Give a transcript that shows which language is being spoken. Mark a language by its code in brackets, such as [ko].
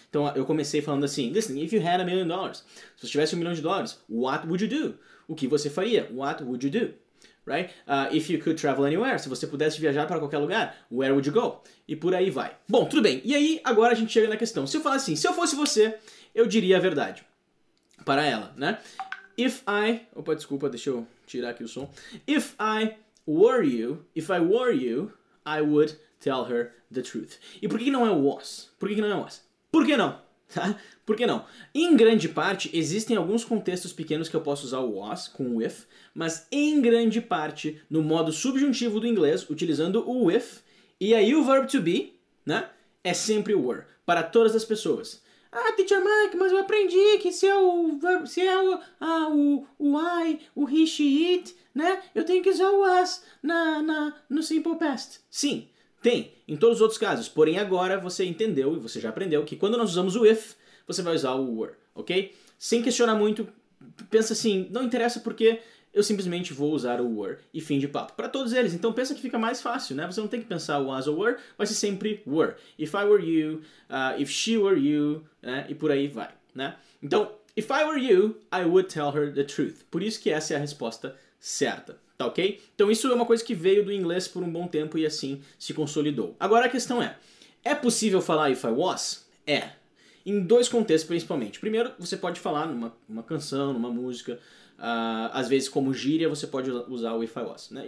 [pt] Então eu comecei falando assim: [en] listen, if you had $1 million, [pt] se você tivesse $1 million, [en] what would you do? [pt] O que você faria? [en] What would you do? Right? If you could travel anywhere, [pt] se você pudesse viajar para qualquer lugar, [en] where would you go? [pt] E por aí vai. Bom, tudo bem. E aí, agora a gente chega na questão. Se eu falar assim, se eu fosse você, eu diria a verdade para ela, né? [en] If I... [pt] Opa, desculpa, deixa eu tirar aqui o som. [en] If I were you, I would tell her the truth. [pt] E por que não é was? Por que não? Tá? Por que não? Em grande parte, existem alguns contextos pequenos que eu posso usar o was com o if, mas em grande parte, no modo subjuntivo do inglês, utilizando o if, e aí o verb to be, né, é sempre were, para todas as pessoas. Ah, teacher Mike, mas eu aprendi que se é o verbo, se é o, ah, o I, o he, she, it, né, eu tenho que usar o was no simple past. Sim. Tem, em todos os outros casos, porém agora você entendeu e você já aprendeu que quando nós usamos o if, você vai usar o were, ok? Sem questionar muito, pensa assim, não interessa porque eu simplesmente vou usar o were e fim de papo. Para todos eles, então pensa que fica mais fácil, né? Você não tem que pensar o was ou were, vai ser sempre were. [en] If I were you, if she were you, [pt] né? E por aí vai, né? [en] Então, if I were you, I would tell her the truth. [pt] Por isso que essa é a resposta certa. Tá ok? Então isso é uma coisa que veio do inglês por um bom tempo e assim se consolidou. Agora a questão é possível falar [en] if I was? [pt] É. Em dois contextos principalmente. Primeiro, você pode falar numa canção, numa música, às vezes como gíria, você pode usar o [en] if I was, [pt] né?